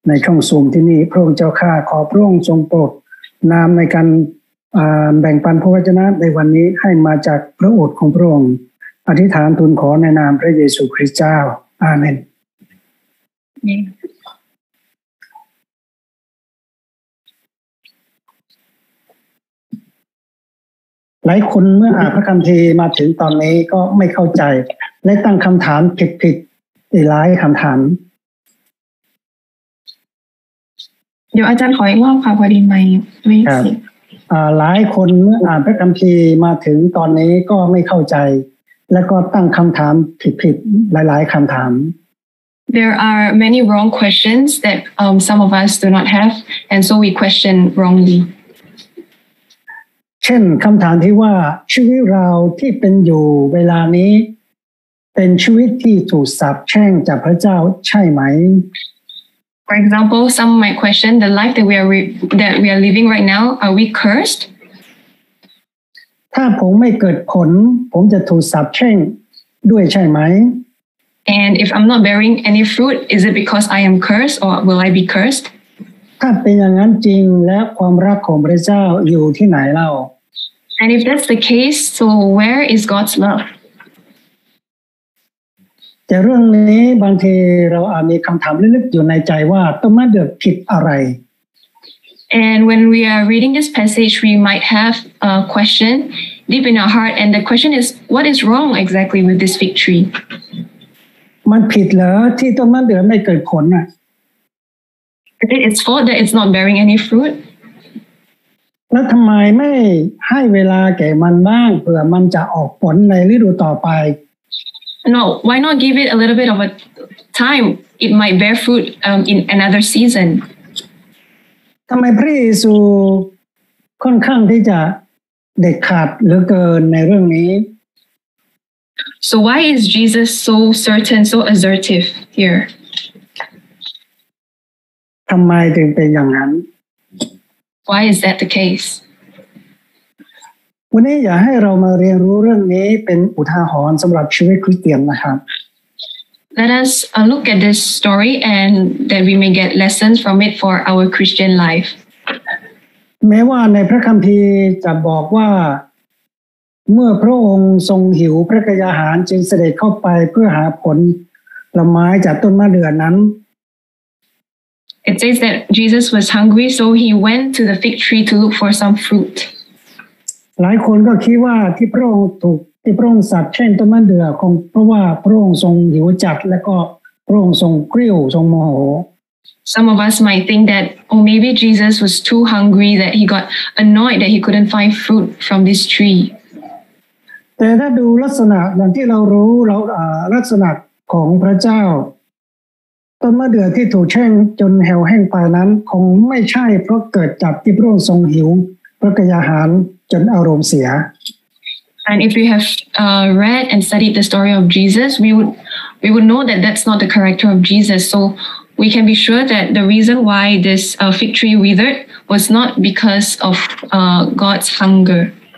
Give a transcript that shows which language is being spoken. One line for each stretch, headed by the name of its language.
Thai: องซูมที่นี่พระองค์เจ้าข้าขอพระองค์ทรงโปรดนำในการแบ่งปันพระวจนะในวันนี้ให้มาจากพระโอษฐ์ของพระองค์อธิษฐานทูลขอในนามพระเยซูคริสต์เจ้าอาเมนหลายคนเมื่ออ่านพระคัมภีร์มาถึงตอนนี้ก็ไม่เข้าใจและตั้งคำถามผิดๆหลายคำถาม เดี๋ยวอาจารย์ขออีกรอบค่ะพอดีไม่เสีย หลายคนเมื่ออ่านพระคัมภีร์มาถึงตอนนี้ก็ไม่เข้าใจและก็ตั้งคำถามผิดๆหลายๆคำถาม
English: There are many wrong questions that some of us do not have and so we question wrongly.
Thai: เช่นคำถามที่ว่าชีวิตเราที่เป็นอยู่เวลานี้เป็นชีวิตที่ถูกสาปแช่งจากพระเจ้าใช่ไหม
English: For example, some might question the life that we are living right now. Are we cursed?
Thai: ถ้าผมไม่เกิดผลผมจะถูกสาปแช่งด้วยใช่ไหม
English: And if I'm not bearing any fruit, is it because I am cursed or will I be cursed?
Thai: ถ้าเป็นอย่างนั้นจริงและความรักของพระเจ้าอยู่ที่ไหนเล่า
English: And if that's the case so where is God's love
Thai: แต่เรื่องนี้บางทีเราอาจมีคำถามลึกๆอยู่ในใจว่าต้นมะเดื่อผิดอะไร
English: And when we are reading this passage we might have a question deep in our heart and the question is what is wrong exactly with this fig tree
Thai: มันผิดเหรอที่ต้นมะเดื่อไม่เกิดผลน่ะ
English: It's fault that it's not bearing any fruit.
Thai: แล้วทำไมไม่ให้เวลาแก่มันบ้างเผื่อมันจะออกผลในฤดูต่อไป
English: No, why not give it a little bit of a time? It might bear fruit in another season.
Thai: ทำไมพระเยซูค่อนข้างที่จะเด็ดขาดเหลือเกินในเรื่องนี้
English: So why is Jesus so certain, so assertive here?
Thai: ทำไมถึงเป็นอย่างนั้น
English: Why is that the case?
Thai: วันนี้อยากให้เรามาเรียนรู้เรื่องนี้เป็นอุทาหรณ์สำหรับชีวิตคริสเตียนนะครับ
English: Let us look at this story and that we may get lessons from it for our Christian life.
Thai: แม้ว่าในพระคัมภีร์จะบอกว่าเมื่อพระองค์ทรงหิวพระกายอาหารจึงเสด็จเข้าไปเพื่อหาผลละไม้จากต้นมะเดื่อนั้น
English: It says that Jesus was hungry, so he went to the fig tree to look for some fruit.
Thai: หลายคนก็คิดว่าที่พระองค์ถูกที่พระองค์สาปแช่งต้นมะเดื่อคงเพราะว่าพระองค์ทรงหิวจัดและก็ต พระองค์ทรงกริ้วทรงโมโห
English: Some of us might think that oh maybe Jesus was too hungry that he got annoyed that he couldn't find fruit from this tree
Thai: แต่ถ้าดูลักษณะอย่างที่เรารู้เราลักษณะของพระเจ้าต้นมะเดื่อที่ถูกแช่งจนแห้วแห้งไปนั้นคงไม่ใช่เพราะเกิดจากที่พระองค์ทรงหิวพระกายอาหารจนอารมณ์เสีย
English: And if we have read and studied the story of Jesus we would know that that's not the character of Jesus so we can be sure that the reason why this fig tree withered was not because of God's hunger